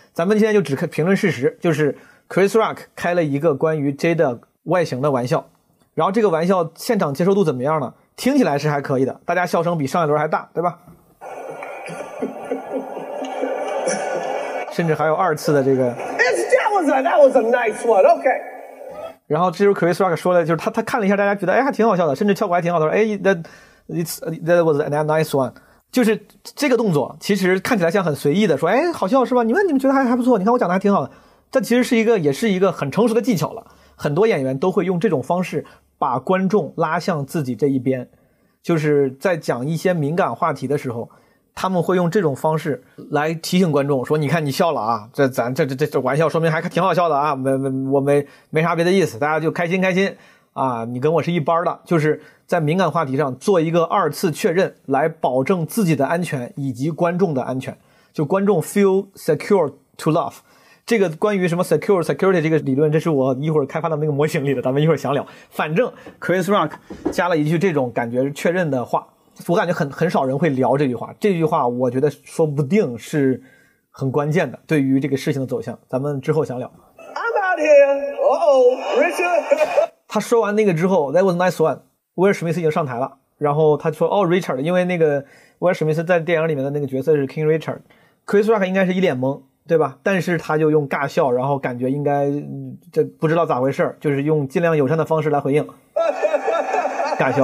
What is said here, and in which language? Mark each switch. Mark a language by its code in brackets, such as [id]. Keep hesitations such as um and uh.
[zh] 咱们现在就只看评论事实，就是 Chris Rock 开了一个关于 j 的外形的玩笑，然后这个玩笑现场接受度怎么样呢？听起来是还可以的，大家笑声比上一轮还大，对吧？ 甚至还有二次的这个。 [en] That was a nice one, o k [zh] 然后这时候 c h r i s Rock 说了，就是他他看了一下，大家觉得哎还挺好笑的，甚至效果还挺好的。 [en] 哎 that, it's,，That was a nice one。 [zh] 就是这个动作，其实看起来像很随意的说，哎，好笑是吧？你们你们觉得还还不错？你看我讲的还挺好的，但其实是一个也是一个很成熟的技巧了。很多演员都会用这种方式。把观众拉向自己这一边，就是在讲一些敏感话题的时候，他们会用这种方式来提醒观众说：“你看，你笑了啊，这咱这这这这玩笑，说明还挺好笑的啊，我没没我们没啥别的意思，大家就开心开心啊。 ”你跟我是一班的，就是在敏感话题上做一个二次确认，来保证自己的安全以及观众的安全，就观众 [en] feel secure to l o v e [zh] 这个关于什么 secure security 这个理论，这是我一会儿开发的那个模型里的。咱们一会儿详聊。反正 Chris Rock 加了一句这种感觉确认的话，我感觉很很少人会聊这句话。这句话我觉得说不定是很关键的，对于这个事情的走向，咱们之后详聊。 [en] I'm out here. Oh, Richard. [zh] 他说完那个之后， [en] That was nice one. [zh] 威尔史密斯已经上台了，然后他说，哦，Richard，因为那个威尔史密斯在电影里面的那个角色是 King Richard。 Chris Rock 应该是一脸懵。对吧？但是他就用尬笑，然后感觉应该、嗯、这不知道咋回事就是用尽量友善的方式来回应，尬笑。